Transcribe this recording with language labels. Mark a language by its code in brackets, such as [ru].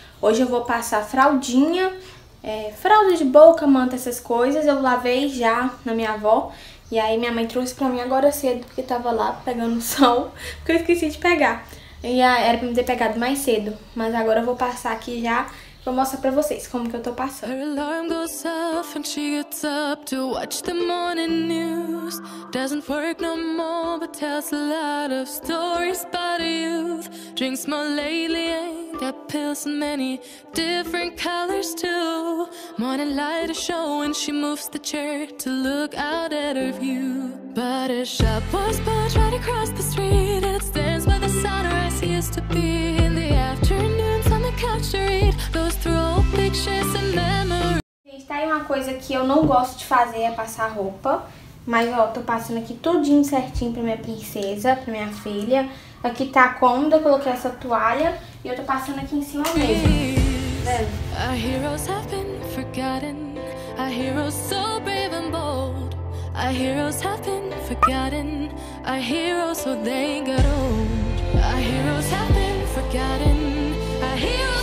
[pt] Hoje eu vou passar fraldinha, fralda de boca, manta, essas coisas. Eu lavei já na minha avó. E aí minha mãe trouxe pra mim agora cedo, porque tava lá pegando sol, porque eu esqueci de pegar. E era pra me ter pegado mais cedo. Mas agora eu vou passar aqui já. Vou mostrar pra vocês como que eu tô passando. [en] Her alarm goes off and she gets up to watch the morning news. Doesn't work no more, but tells a lot of stories about youth. Drinks more lately, ain't got pills in many different colors too. Morning light is showing, she moves the chair to look out at her view. But a shop was built right across the street. And it stands where the sunrise used to be in the afternoons on the couch to read. [pt] Gente, tá aí uma coisa que eu não gosto de fazer, é passar roupa. Mas, ó, tô passando aqui tudinho certinho pra minha princesa, pra minha filha. Aqui tá cômoda, coloquei essa toalha e eu tô passando aqui em cima mesmo. Vendo? [en] Our heroes have been forgotten. Our heroes so brave and bold. Our heroes have been forgotten. Our heroes so they got old. Our heroes have been forgotten.